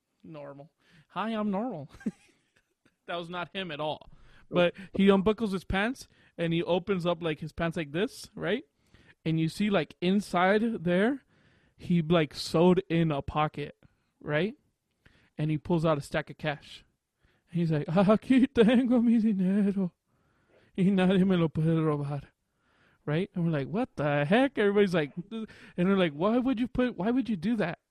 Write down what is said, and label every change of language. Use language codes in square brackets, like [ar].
[en] Normal. Hi, I'm normal. That was not him at all. But he unbuckles his pants, and he opens up, like, his pants like this, right? And you see, like, inside there, he, like, sewed in a pocket, right? And he pulls out a stack of cash. And he's like, [es] aquí tengo mi dinero. Y nadie me lo puede robar. [en] Right? And we're like, what the heck? Everybody's like, and they're like, why would you do that?